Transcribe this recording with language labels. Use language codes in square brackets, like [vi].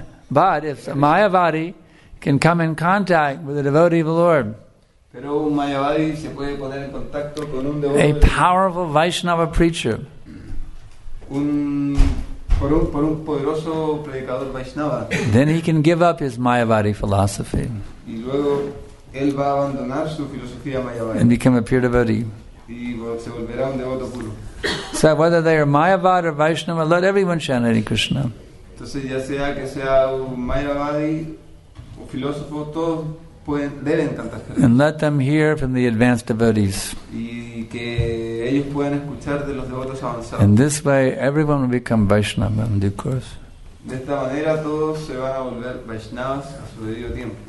[en] But if a Mayavadi can come in contact with a devotee of the Lord, [es] pero un Mayavadi se puede poner en contacto con un devoto, [en] a powerful Vaishnava preacher, [es] por un poderoso predicador Vaishnava, [en] then he can give up his Mayavadi philosophy. [es] Y luego él va a abandonar su filosofía Mayavadi. [en] And become a pure devotee. [es] Y se volverá un devoto puro. [en] So whether they are Mayavadi or Vaishnava, let everyone chant Hare Krishna. [es] Entonces ya sea que sea un Mayavadi o filósofo, todos deben cantar Hare Krishna. [en] And let them hear from the advanced devotees. [es] Y que ellos puedan escuchar de los devotos avanzados. [en] In this way, everyone will become Vaishnava in due course. [es] De esta manera todos se van a volver Vaishnavas a su debido tiempo.